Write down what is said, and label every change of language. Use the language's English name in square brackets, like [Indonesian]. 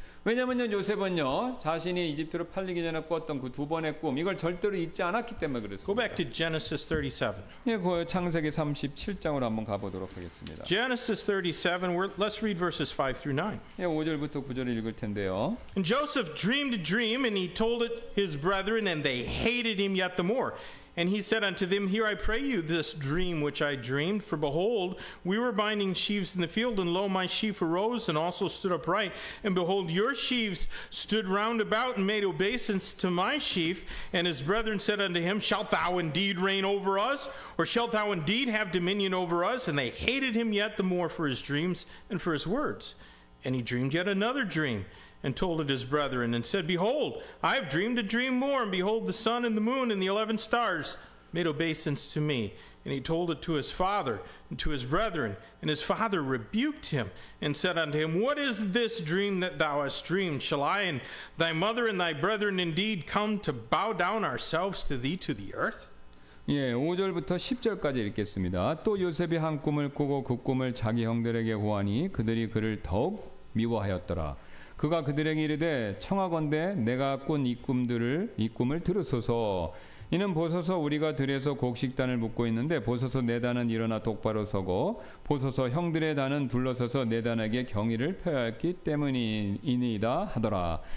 [Korean] 왜냐면요 요셉은요 자신이 이집트로 팔리기 전에 꿨던 그 두 번의 꿈 이걸 절대로 잊지 않았기 때문에 그랬습니다. [English] Go back to Genesis 37. [Korean] 예, 창세기 37장으로 한번 가보도록 하겠습니다. [English] Genesis 37, let's read verses 5 through 9. [Korean] 예, 5절부터 9절을 읽을 텐데요. [English] And Joseph dreamed a dream and he told it his brethren and they hated him yet the more. And he said unto them, Hear I pray you this dream which I dreamed. For behold, we were binding sheaves in the field, and lo, my sheaf arose and also stood upright. And behold, your sheaves stood round about and made obeisance to my sheaf. And his brethren said unto him, Shalt thou indeed reign over us? Or shalt thou indeed have dominion over us? And they hated him yet the more for his dreams and for his words. And he dreamed yet another dream. And told it his brethren, and said, Behold, I have dreamed a dream more, and behold, the sun and the moon and the 11 stars made obeisance to me. And he told it to his father and to his brethren, and his father rebuked him, and said unto him, What is this dream that thou hast dreamed? Shall I and thy mother and thy brethren indeed come to bow down ourselves to thee to the earth? [Korean] 예, 5절부터 10절까지 읽겠습니다. 또 요셉이 한 꿈을 꾸고 그 꿈을 자기 형들에게 고하니 그들이 그를 더욱 미워하였더라. 그가 그들에게 이르되 청하건대 내가 꾼 이 꿈을 들으소서. 이는 보소서 우리가 들에서 곡식단을 묶고 있는데 보소서 내 단은 일어나 똑바로 서고 보소서 형들의 단은 둘러서서 내 단에게 경의를 표하였기 때문이니이다 하더라.